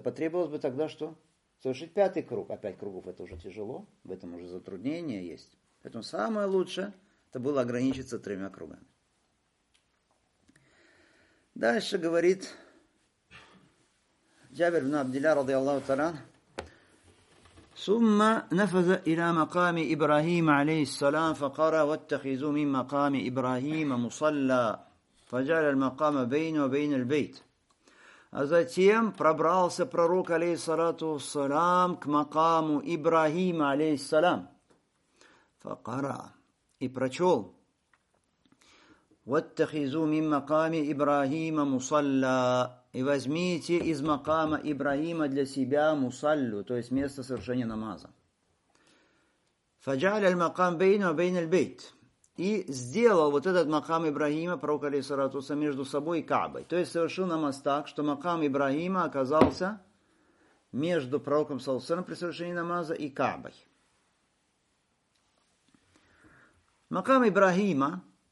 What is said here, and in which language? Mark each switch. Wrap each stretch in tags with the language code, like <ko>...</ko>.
<ru>Потребовалось бы тогда что? Совершить пятый круг. А пять кругов это уже тяжело. В этом уже затруднение есть. Поэтому самое лучшее, это было ограничиться тремя кругами. Дальше говорит Джабир ибн Абдилля, ради Аллаху Таран.</ru> <ar>ثم نفذ إلى مقام إبراهيم عليه السلام فقرأ واتخذوا من مقام إبراهيم مصلى فجعل المقام بينه وبين البيت.</ar> <ru>А затем пробрался пророк алейхиссалату вассалям к макаму Ибрахима алейхиссалям.</ru> <ar>فقرأ</ar> <ru>и прочел.</ru> <ar>واتخذوا من مقام إبراهيم مصلى.</ar> <ru>И возьмите из макама Ибрахима для себя мусаллю, то есть место совершения намаза. Фаджаль аль-макам бейну ва бейн аль-бейт. И сделал вот этот макам Ибрахима, пророк алейхиссалату вассалям, между собой и Каабой. То есть совершил намаз так, что макам Ибрахима оказался между пророком саллаллаху алейхи ва саллям при совершении намаза и Каабой. Макам Ибрахима,</ru>